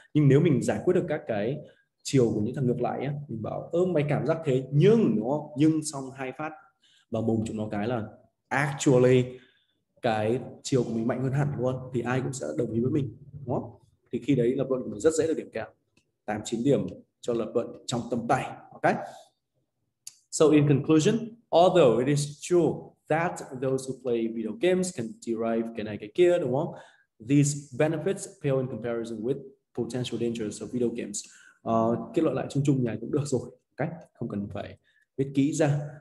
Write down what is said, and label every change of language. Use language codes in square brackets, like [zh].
[vi] Nhưng nếu mình giải quyết được các cái chiều của những thằng ngược lại ấy, mình bảo mày cảm giác thế nhưng, đúng không, nhưng xong hai phát vào mồm chúng nó cái là actually cái chiều của mình mạnh hơn hẳn luôn, thì ai cũng sẽ đồng ý với mình, đúng không? Thì khi đấy lập luận của mình rất dễ được điểm cao, 8-9 điểm cho lập luận trong tầm tay. [en] Ok, so in conclusion, although it is true that those who play video games can derive [vi] cái này cái kia, đúng không, [en] these benefits pale in comparison with potential dangers of video games. [vi] Kết luận lại chung chung này cũng được rồi, okay? Không cần phải viết kỹ ra.